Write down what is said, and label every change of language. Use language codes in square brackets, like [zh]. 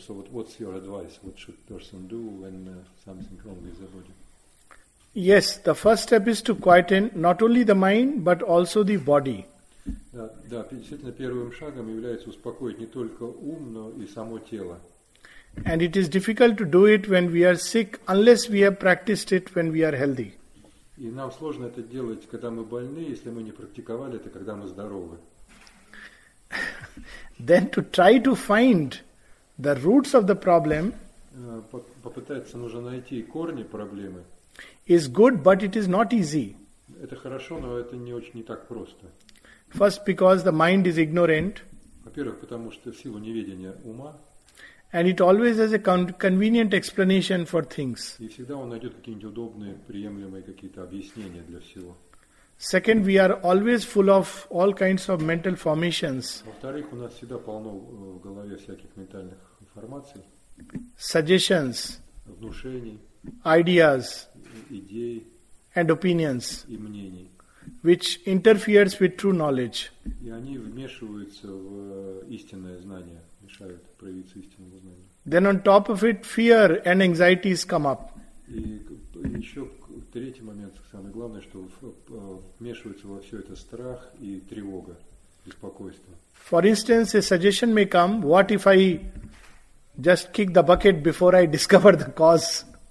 [en] So what's your advice? What should person do when something wrong with the body? Yes, the first step is to quieten not only the mind, but also the body. [ru] Да, действительно, первым шагом является успокоить не только ум, но и само тело. [en] And it is difficult to do it when we are sick, unless we have practiced it when we are healthy. [ru] И нам сложно это делать, когда мы больны, если мы не практиковали это, когда мы здоровы. [en] Then to try to find the roots of the problem. [ru] Попытаться нужно найти корни проблемы. [en] Is good, but it is not easy. [ru] Это хорошо, но это не очень не так просто. [en] First, because the mind is ignorant. [ru] Во-первых, потому что в силу неведения ума. [en] And it always has a convenient explanation for things. [ru] И всегда он найдет какие-нибудь удобные, приемлемые какие-то объяснения для всего. [en] Second, we are always full of all kinds of mental formations. [ru] Во-вторых, у нас всегда полно в голове всяких ментальных информаций. [en] Suggestions. [ru] Внушений. [en] Ideas. [ru] Идеи. [en] And opinions. [ru] И мнений. [en] Which interferes with true knowledge. [ru] И они вмешиваются в истинное знание, мешают проявиться истинному знанию. [en] Then on top of it, fear and anxieties come up. [ru] И еще третий момент, самое главное, что вмешивается во все это страх и тревога, беспокойство. [en] For instance, a suggestion may come, what if I just kick the bucket before I discover the cause?